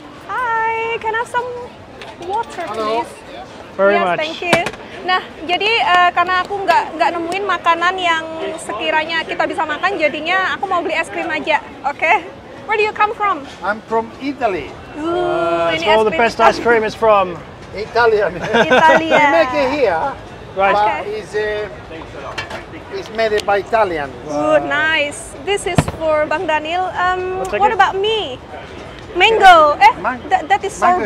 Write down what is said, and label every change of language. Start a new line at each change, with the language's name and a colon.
English: Hi, can I have some water, please? Very yes, thank you.
Indonesian: Nah, jadi karena aku nggak nemuin makanan yang sekiranya kita bisa makan, jadinya aku mau beli es krim aja, oke?
English: Where do you come from? I'm from Italy. So all the best ice cream is from Italian. Italia. We make it here, right. but it's made by Italian. Good, nice. This is for Bang Daniel. What about me? Mango. That is sorbet.